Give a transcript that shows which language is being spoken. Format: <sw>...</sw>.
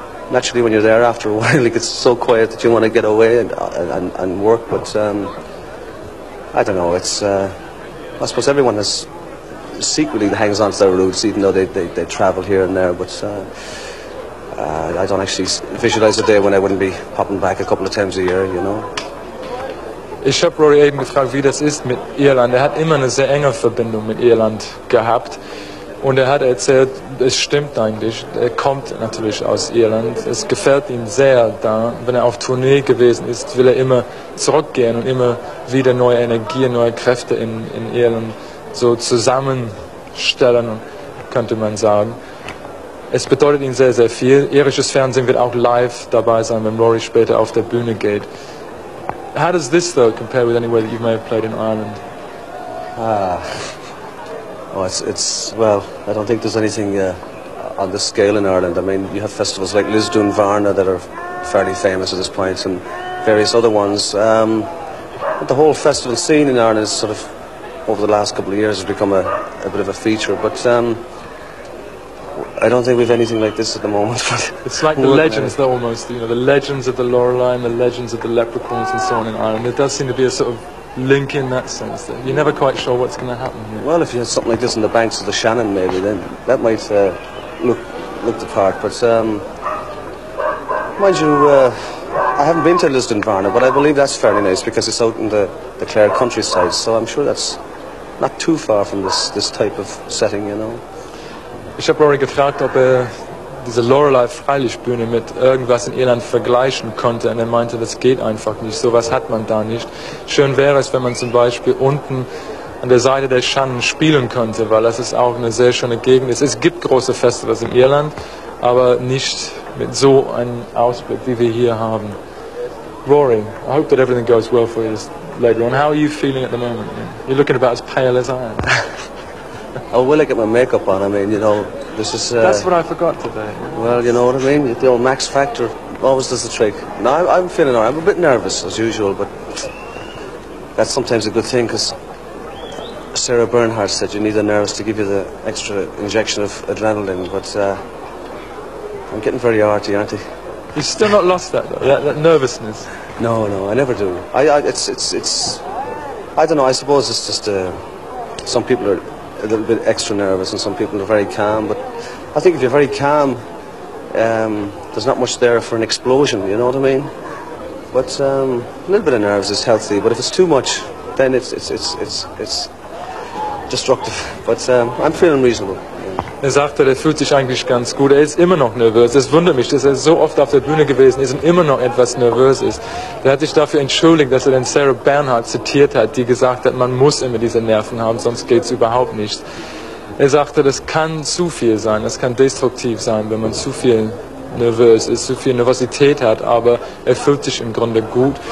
<en>Naturally, when you're there after a while, it gets so quiet that you want to get away and work. But I don't know. It's I suppose everyone has secretly hangs on to their roots, even though they travel here and there. But I don't actually visualize a day when I wouldn't be popping back a couple of times a year, you know.</en> <de>Ich habe Rory eben gefragt, wie das ist mit Irland. Er hat immer eine sehr enge Verbindung mit Irland gehabt. Und er hat erzählt, es stimmt eigentlich, er kommt natürlich aus Irland. Es gefällt ihm sehr da, wenn er auf Tournee gewesen ist, will er immer zurückgehen und immer wieder neue Energien, neue Kräfte in Irland so zusammenstellen, könnte man sagen. Es bedeutet ihm sehr, sehr viel. Irisches Fernsehen wird auch live dabei sein, wenn Rory später auf der Bühne geht.</de> <en>How does this though compare with anywhere that you may have played in Ireland? Well, I don't think there's anything on this scale in Ireland. I mean, you have festivals like Lisdoon Varna that are fairly famous at this point, and various other ones. But the whole festival scene in Ireland is sort of, over the last couple of years, has become a bit of a feature. But I don't think we've anything like this at the moment. It's like the legends, though, almost. You know, the legends of the Loreley and the legends of the leprechauns and so on in Ireland. It does seem to be a sort of link in that sense, that you're never quite sure what's going to happen here. Well, if you had something like this on the banks of the Shannon, maybe, then that might look the part. But, mind you, I haven't been to Lisdoon Varna, but I believe that's fairly nice because it's out in the Clare countryside, so I'm sure that's not too far from this type of setting, you know.</en> <de>Ich habe Rory gefragt, ob er diese Loreley Freilichtbühne mit irgendwas in Irland vergleichen konnte. Und er meinte, das geht einfach nicht. Sowas hat man da nicht. Schön wäre es, wenn man zum Beispiel unten an der Seite der Shannon spielen könnte, weil das ist auch eine sehr schöne Gegend. Es gibt große Festivals in Irland, aber nicht mit so einem Ausblick, wie wir hier haben.</de> <en>Rory, I hope that everything goes well for you later on. How are you feeling at the moment? You're looking about as pale as I am. Oh, will I get my makeup on? I mean, you know, this is... That's what I forgot today. Well, you know what I mean? The old Max Factor always does the trick. No, I'm feeling all right. I'm a bit nervous, as usual, but that's sometimes a good thing, because Sarah Bernhardt said you need a nurse to give you the extra injection of adrenaline, but I'm getting very arty, aren't I? You've still not lost that, though, that nervousness. No, I never do. I don't know, I suppose it's just some people are a little bit extra nervous and some people are very calm, but I think if you're very calm, there's not much there for an explosion, you know what I mean? But a little bit of nerves is healthy, but if it's too much, then it's destructive. But I'm feeling reasonable. Yeah.</en> <de>Er sagte, er fühlt sich eigentlich ganz gut. Er ist immer noch nervös. Es wundert mich, dass er so oft auf der Bühne gewesen ist und immer noch etwas nervös ist. Er hat sich dafür entschuldigt, dass er den Sarah Bernhardt zitiert hat, die gesagt hat, man muss immer diese Nerven haben, sonst geht's überhaupt nicht. Er sagte, das kann zu viel sein, das kann destruktiv sein, wenn man zu viel nervös ist, zu viel Nervosität hat, aber er fühlt sich im Grunde gut.</de>